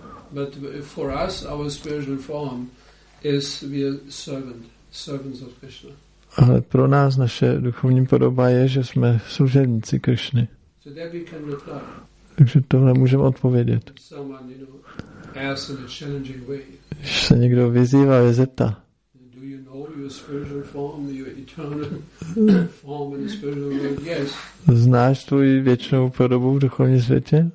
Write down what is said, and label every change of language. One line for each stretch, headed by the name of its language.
English: But for us, our spiritual form is we are servants of Krishna.
Czech: Ale pro nás naše duchovní podoba je, že jsme služebníci Krišny.
English: So that we can reply.
Czech: Takže tohle můžeme odpovědět.
English: Someone, you know, asks in a challenging way.
Czech: Když se někdo vyzývá, je zeptá.
English: Do you know your spiritual form, your eternal form in the spiritual world? Yes.
Czech: Znáš tvoji věčnou podobu v duchovním světě?